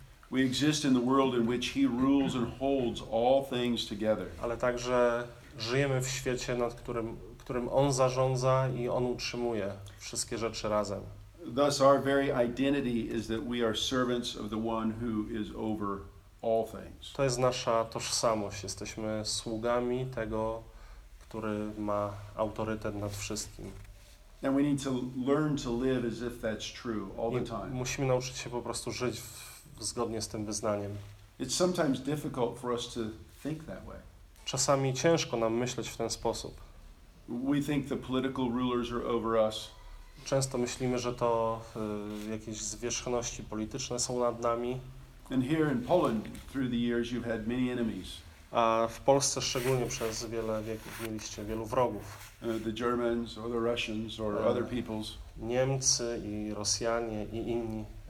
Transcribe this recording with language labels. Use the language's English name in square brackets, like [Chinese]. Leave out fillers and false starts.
[English] We exist in the world in which he rules and holds all things together. [Polish] Ale także żyjemy w świecie, nad którym on zarządza i on utrzymuje wszystkie rzeczy razem. [English] Thus our very identity is that we are servants of the one who is over all things. [Polish] To jest nasza tożsamość, jesteśmy sługami tego, który ma autorytet nad wszystkim. [English] And we need to learn to live as if that's true all the time. [Polish] Musimy nauczyć się po prostu żyć zgodnie z tym wyznaniem. [English] It's sometimes difficult for us to think that way. [Polish] Czasami ciężko nam myśleć w ten sposób. [English] We think the political rulers are over us. [Polish] Często myślimy, że to jakieś zwierzchności polityczne są nad nami. [English] And here in Poland, through the years, you've had many enemies. [Polish] A w Polsce szczególnie przez wiele wieków mieliście wielu wrogów. [English] The Germans or the Russians or other peoples. [Polish] Niemcy i Rosjanie i inni.